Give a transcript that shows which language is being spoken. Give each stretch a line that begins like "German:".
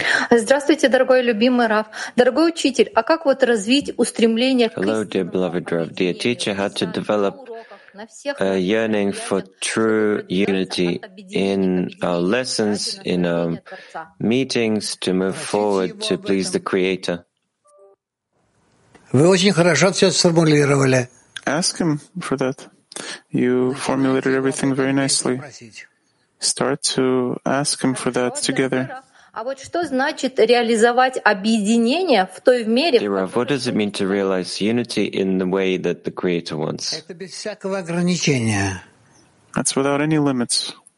Russian: Здравствуйте, дорогой любимый Рав. Дорогой учитель, а как вот развить устремление к...
English: Hello, dear beloved Rav. Dear teacher, how to develop a yearning for true unity in our lessons, in our meetings, to move forward to please the Creator?
Russian: Вы очень хорошо все сформулировали.
English: Ask him for that. You formulated everything very nicely. Start to ask him for that together. Dear Rav, what does it mean to realize unity in the way that the Creator wants? That's without any limits.